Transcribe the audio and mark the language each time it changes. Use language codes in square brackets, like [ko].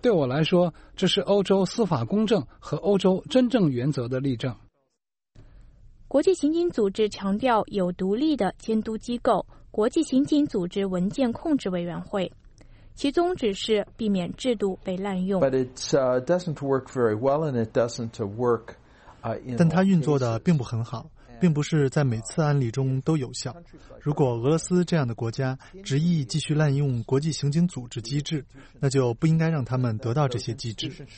[zh] 对我来说，这是欧洲司法公正和欧洲真正原则的例证。国际刑警组织强调有独立的监督机构——国际刑警组织文件控制委员会，其宗旨是避免制度被滥用。 [en] But it doesn't work very well, and it doesn't work. [zh] 但它运作的并不很好。并不是在每次案例中都有效。如果俄罗斯这样的国家执意继续滥用国际刑警组织机制，那就不应该让他们得到这些机制。